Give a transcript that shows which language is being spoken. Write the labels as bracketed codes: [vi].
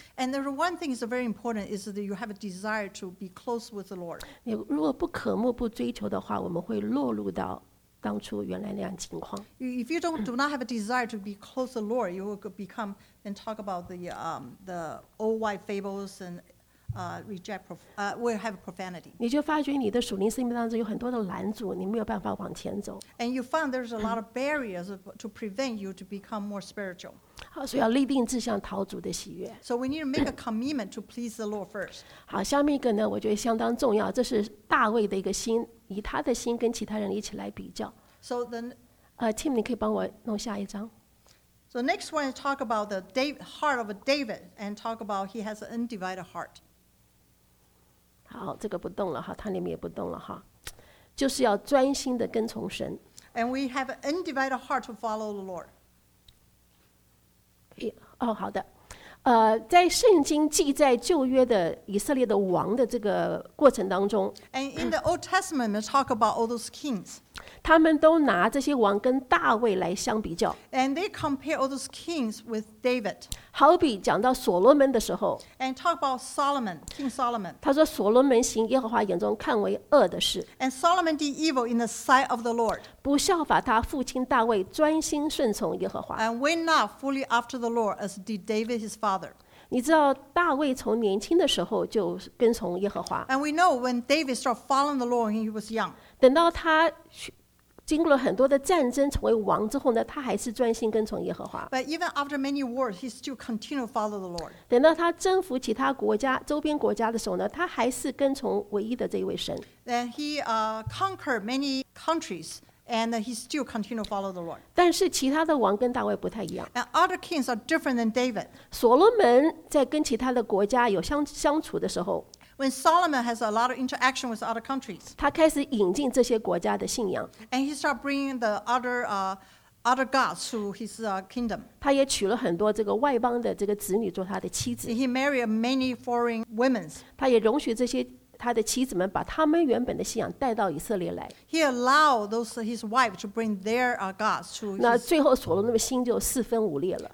[en] And there's one thing is very important is that you have a desire to be close with the Lord. [zh] 你如果不渴慕、不追求的话，我们会落入到当初原来那样情况。 [en] If you do not have a desire to be close to the Lord, you will become and talk about the old wife fables and will have profanity. [zh] 你就发觉你的属灵生命当中有很多的拦阻，你没有办法往前走。 [en] And you find there's a lot of barriers to prevent you to become more spiritual. [zh] 好，所以要立定志向讨主的喜悦。 [en] So we need to make a commitment to please the Lord first. [zh] 好，下面一个呢，我觉得相当重要，这是大卫的一个心，以他的心跟其他人一起来比较。 [en] So then, [zh] Tim, 你可以帮我弄下一张。 [en] So next one is talk about the heart of David and talk about he has an undivided heart. [zh] 好，这个不动了哈，他那边也不动了哈，就是要专心的跟从神。 [en] And we have an undivided heart to follow the Lord. [zh] 哦，好的。在圣经记载旧约的以色列的王的这个过程当中 [en] ，And in the Old Testament, we talk about all those kings. [zh] 他们都拿这些王跟大卫来相比较 [en] ，And they compare all those kings with David. [zh] 好比讲到所罗门的时候 [en] ，And talk about Solomon, King Solomon. [zh] 他说所罗门行耶和华眼中看为恶的事 [en] ，And Solomon did evil in the sight of the Lord. [zh] 不效法他父亲大卫，专心顺从耶和华 [en] ，And went not fully after the Lord as did David his father. [zh] 你知道大卫从年轻的时候就跟从耶和华。 [en] And we know when David started following the Lord when he was young. [zh] 等到他经过了很多的战争成为王之后呢，他还是专心跟从耶和华。 [en] But even after many wars, he still continued to follow the Lord. [zh] 等到他征服其他国家、周边国家的时候呢，他还是跟从唯一的这一位神。 [en] Then he conquered many countries. And he still continued to follow the Lord. [zh] 但是其他的王跟大卫不太一样。 [en] And other kings are different than David. [zh] 所罗门在跟其他的国家有相处的时候 [en] ，When Solomon has a lot of interaction with other countries, [zh] 他开始引进这些国家的信仰。 [en] And he started bringing the other other gods to his kingdom. [zh] 他也娶了很多这个外邦的这个子女做他的妻子。 [en] He married many foreign women. [zh] 他也容许这些。他的妻子们把他们原本的信仰带到以色列来。 [en] He allowed those his wife to bring their gods to. [zh] 那最后所罗门的心就四分五裂了。